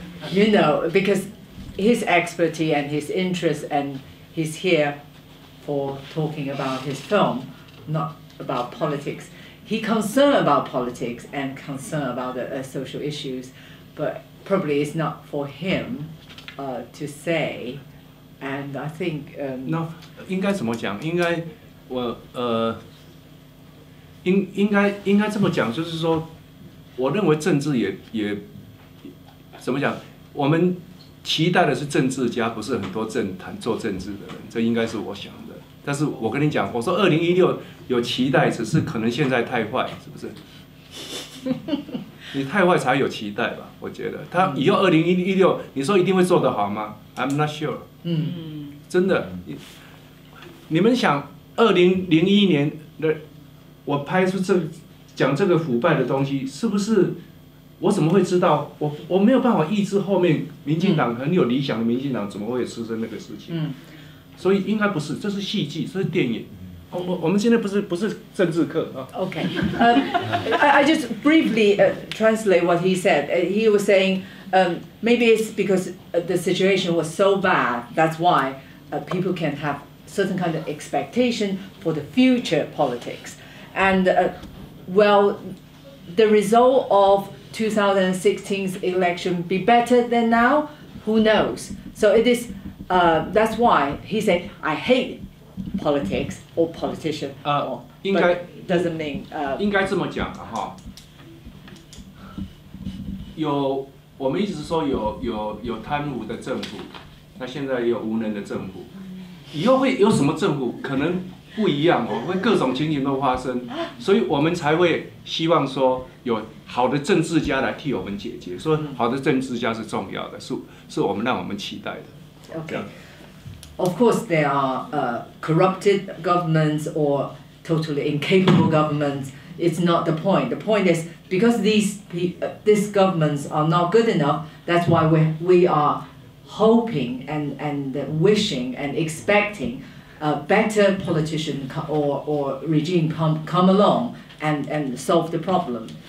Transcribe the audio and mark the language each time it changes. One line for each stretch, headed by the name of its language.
English: You know, because his expertise and his interest, and he's here for talking about his film, not about politics. He concerned about politics and concerned about the social issues. but probably it's not for him to say. And I think
Chinese: no, 应该怎么讲？应该我应该这么讲，就是说，我认为政治也怎么讲？我们期待的是政治家，不是很多政坛做政治的人，这应该是我想的。但是我跟你讲，我说2016有期待，只是可能现在太坏，是不是？你太坏才有期待吧？我觉得他以后2016，你说一定会做得好吗 ？
English: I'm not sure。
Chinese: 嗯，真的，你们想2001年的我拍出这讲这个腐败的东西，是不是？我怎么会知道？我没有办法预知后面民进党很有理想的民进党怎么会出生那个事情。嗯，所以应该不是，这是戏剧，这是电影。我们现在不是政治课啊。
English: Okay, I just briefly translate what he said. He was saying, maybe it's because the situation was so bad, that's why people can have certain kind of expectation for the future politics. And well, the result of 2016's election be better than now? Who knows? So it is. That's why he said, "I hate politics or politician."
Chinese: 应该
English: doesn't mean.
Chinese: 应该这么讲的哈。有我们一直说有贪污的政府，那现在有无能的政府，以后会有什么政府？可能不一样哦，会各种情形都发生，所以我们才会希望说有好的政治家来替我们解决，说好的政治家是重要的，是我们让我们期待的。
English: Okay. Of course, there are corrupted governments or totally incapable governments. It's not the point. The point is because these governments are not good enough, that's why we are hoping and wishing and expecting a better politician or regime come along and solve the problem.